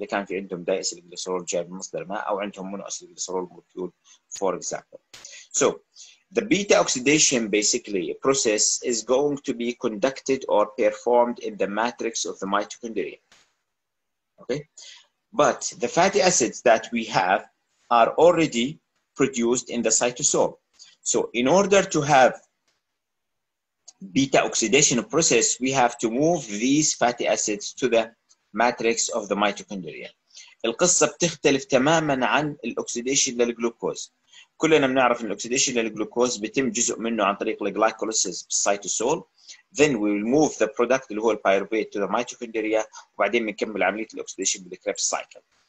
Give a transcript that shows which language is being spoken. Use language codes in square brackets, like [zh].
[ar] إذا كان في عندهم diacyl glycerol جاي من مصدر ما أو عندهم monoacyl glycerol [en] molecule for example. So the beta oxidation basically process is going to be conducted or performed in the matrix of the mitochondria. Okay? But the fatty acids that we have are already produced in the cytosol. So in order to have beta oxidation process, we have to move these fatty acids to the matrix of the mitochondria. [ar] القصه بتختلف تماما عن الاكسديشن للجلوكوز. كلنا بنعرف ان الاكسديشن للجلوكوز بيتم جزء منه عن طريق الجلايكوليسيس بالسيتوسول. [en] Then we will move the product [ar] اللي هو البايروفيت [en] to the mitochondria [ar] وبعدين بنكمل عملية الأكسديشن بالكريبس سايكل.